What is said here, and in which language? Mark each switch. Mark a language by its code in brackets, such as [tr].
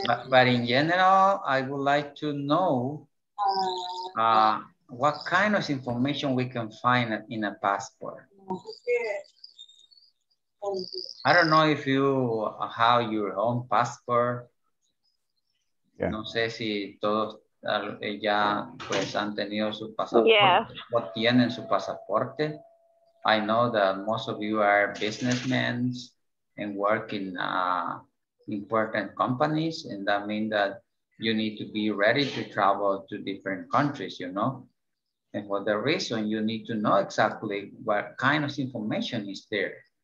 [en] But in general, I would like to know what kind of information we can find in a passport. I don't know if you have your own passport. Yeah. [es] No sé si todos ya pues han tenido su pasaporte. [en] Yeah. [es] O tienen su pasaporte. [en] I know that most of you are businessmen and work in important companies, and that means that you need to be ready to travel to different countries, you know. And for that reason, you need to know exactly what kind of information is there.